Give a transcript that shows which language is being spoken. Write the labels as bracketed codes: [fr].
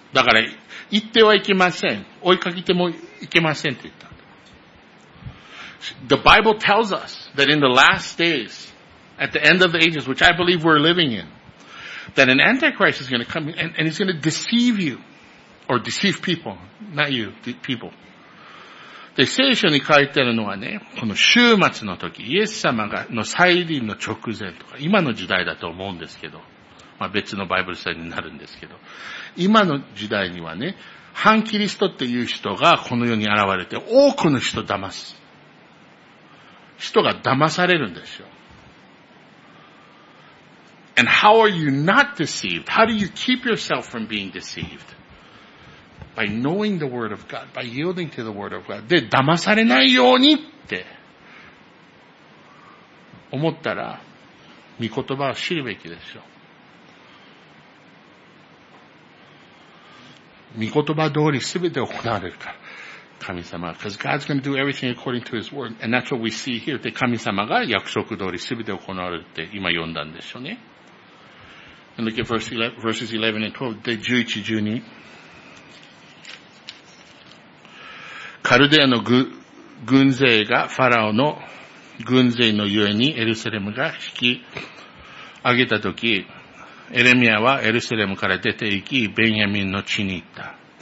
[ja] だから、行ってはいけません。追いかけてもいけませんって言った。 [en] The Bible tells us that in the last days, at the end of the ages, which I believe we're living in, that an antichrist is going to come and he's going to deceive you, or deceive people, not you, the people. [ja] で、聖書に書いてるのはね、この終末の時、イエス様の再臨の直前とか、今の時代だと思うんですけど、まあ、別のバイブル書になるんですけど、今の時代にはね、反キリストっていう人がこの世に現れて多くの人騙す。人が騙されるんですよ。 [en] And how are you not deceived? How do you keep yourself from being deceived? By knowing the word of God, by yielding to the word of God. [ja] で、騙されないようにって思ったら、御言葉を知るべきでしょ。御言葉通りすべて行われるから。神様が。 [en] Because God's going to do everything according to His word. And that's what we see here. [ja] で、神様が約束通りすべて行われるって今読んだんですよね。 [en] and look at verses 11 and 12. [ja] で、11、12。カルデアの軍勢がファラオの軍勢のゆえにエルサレムが引き上げたとき、エレミアはエルサレムから出て行き、ベンヤミンの地に行った。